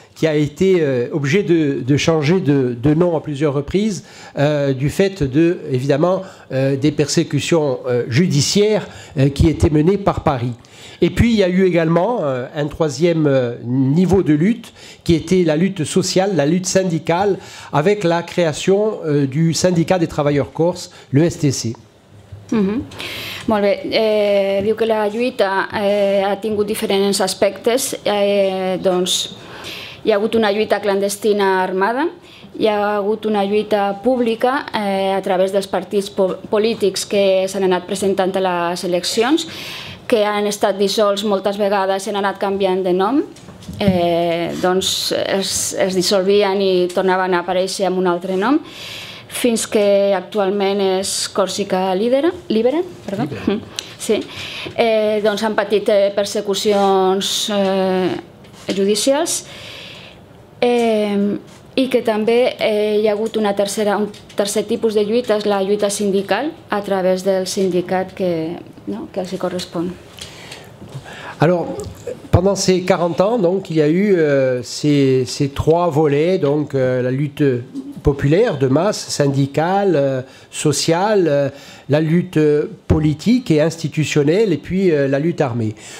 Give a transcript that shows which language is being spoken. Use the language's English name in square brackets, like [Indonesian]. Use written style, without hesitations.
[French] qui a été obligé de changer de nom à plusieurs reprises du fait de, évidemment, des persécutions judiciaires qui étaient menées par Paris. Et puis il y a eu également un troisième niveau de lutte qui était la lutte sociale, la lutte syndicale, avec la création du syndicat des travailleurs corses, le STC. [Catalan] Mm-hmm. Molt bé. Diu que la lluita ha tingut diferents aspectes. Doncs, hi ha hagut una lluita clandestina armada, hi ha hagut una lluita pública a través dels partits polítics que s'han anat presentant a les eleccions, que han estat dissolts moltes vegades i han anat canviant de nom. Doncs es dissolvien i tornaven a aparèixer amb un altre nom, fins que actualment és Còrsica Lidera, Libera, perdó. Sí. Doncs han patit persecucions judicials i que també hi ha hagut una tercera, un tercer tipus de lluita, és la lluita sindical a través del sindicat que, no, que els correspon. [French] Alors, pendant ces 40 ans, donc, il y a eu ces trois volets, donc la lutte populaire de masse, syndicale, sociale, la lutte politique et institutionnelle, et puis la lutte armée.